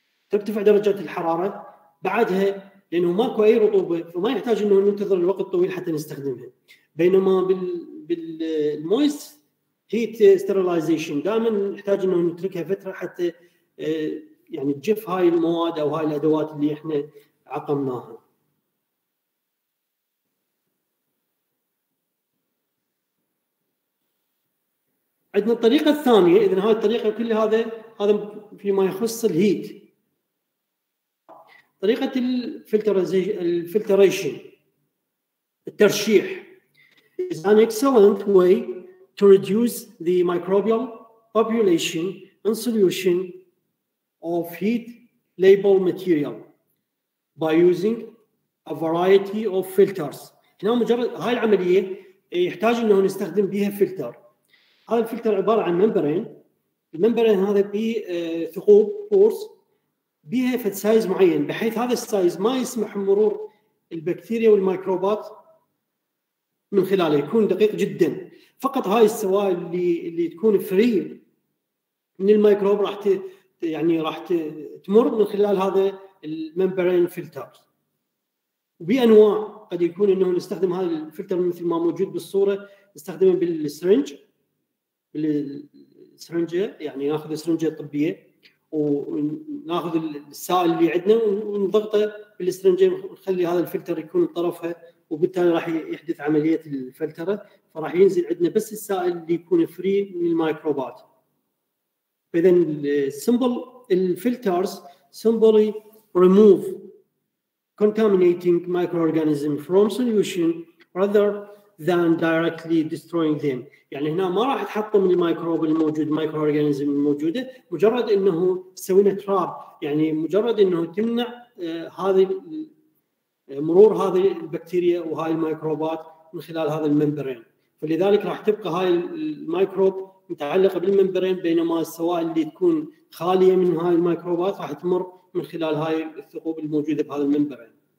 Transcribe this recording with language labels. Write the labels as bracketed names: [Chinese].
[Arabic] ترتفع درجة الحرارة بعدها لانه ماكو اي رطوبة فما يحتاج انه ننتظر الوقت طويل حتى نستخدمها، بينما بالمويست heat sterilization دائما نحتاج انه نتركها فتره حتى يعني تجف هاي المواد او هاي الادوات اللي احنا عقمناها. عندنا الطريقه الثانيه، اذا هاي الطريقه كل هذا فيما يخص الهيت. طريقه الفلتريشن الترشيح [English] is an excellent way to reduce the microbial population in solution of heat label material by using a variety of filters. [Arabic] هنا مجرد هاي العملية يحتاج انه نستخدم بها فلتر. هذا الفلتر عبارة عن ممبرين. الممبرين هذا به ثقوب بورس بها فد سايز معين، بحيث هذا السايز ما يسمح مرور البكتيريا والميكروبات من خلاله، يكون دقيق جدا. فقط هاي السوائل اللي تكون فري من الميكروب راح يعني راح تمر من خلال هذا الممبرين فلتر. بأنواع قد يكون انه نستخدم هذا الفلتر مثل ما موجود بالصوره، نستخدمه بالسرنج بالسرنجه، يعني ناخذ السرنجه الطبيه وناخذ السائل اللي عندنا ونضغطه بالسرنجه ونخلي هذا الفلتر يكون طرفها، وبالتالي راح يحدث عمليه الفلتره، فراح ينزل عندنا بس السائل اللي يكون فري من الميكروبات. [English] فاذا السمبل الفلترز simply remove contaminating microorganisms from solution rather than directly destroying them. [Arabic] يعني هنا ما راح تحطم الميكروب الموجود، الميكروorganism الموجودة، مجرد انه سوينا تراب، يعني مجرد انه تمنع هذه مرور هذه البكتيريا وهاي الميكروبات من خلال هذا الممبرين. فلذلك راح تبقى هاي الميكروب متعلقة بالممبرين، بينما السوائل اللي تكون خالية من هاي الميكروبات راح تمر من خلال هاي الثقوب الموجوده بهذا الممبرين.